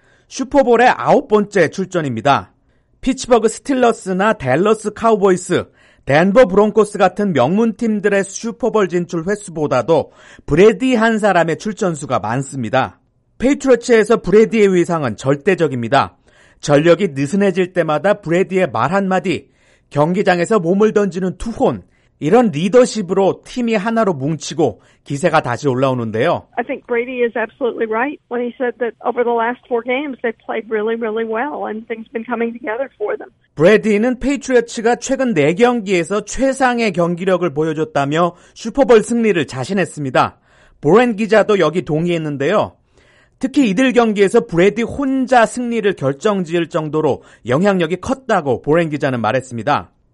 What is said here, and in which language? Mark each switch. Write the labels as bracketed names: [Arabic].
[Korean] 슈퍼볼의 9번째 출전입니다. 피츠버그 스틸러스나 댈러스 카우보이스, 덴버 브론코스 같은 명문팀들의 슈퍼볼 진출 횟수보다도 브래디 한 사람의 출전수가 많습니다. 페이트리어츠에서 브래디의 위상은 절대적입니다. 전력이 느슨해질 때마다 브래디의 말 한마디, 경기장에서 몸을 던지는 투혼, 이런 리더십으로 팀이 하나로 뭉치고 기세가 다시 올라오는데요. [English] I think Brady is absolutely right when he said that over the last four games they played really, really well and things have been coming together for them. [Korean] 브래디는 페이트리어츠가 최근 4경기에서 최상의 경기력을 보여줬다며 슈퍼볼 승리를 자신했습니다. 보렌 기자도 여기 동의했는데요. 특히 이들 경기에서 브래디 혼자 승리를 결정지을 정도로 영향력이 컸다고 보렌 기자는 말했습니다.